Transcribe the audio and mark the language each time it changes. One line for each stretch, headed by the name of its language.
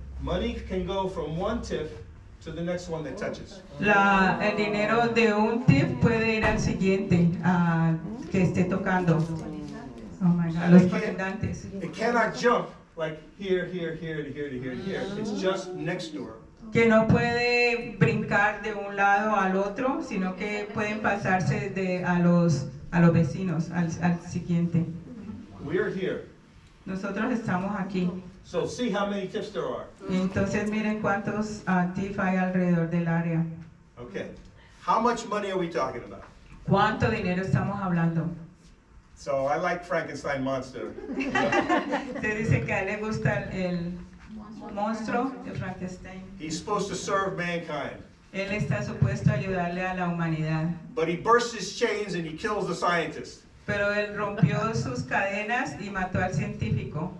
English: Money can go from one TIF to the next one that touches.
Spanish: El dinero de un TIF puede ir al siguiente que esté tocando.
English: Oh my God,
Spanish: los colindantes.
English: It cannot jump like here. It's just next door.
Spanish: Que no puede brincar de un lado al otro, sino que pueden pasarse de a los vecinos al siguiente.
English: We are here.
Spanish: Nosotros estamos aquí.
English: So see how many TIFs there are.
Spanish: Entonces miren cuántos TIFs hay alrededor del área.
English: Okay. How much money are we talking about?
Spanish: ¿Cuánto dinero estamos hablando?
English: So I like Frankenstein monster.
Spanish: Te dice que a él le gusta el monstruo de Frankenstein.
English: He's supposed to serve mankind.
Spanish: Él está supuesto a ayudarle a la humanidad.
English: But he bursts his chains and he kills the scientists.
Spanish: Pero él rompió sus cadenas y mató al científico.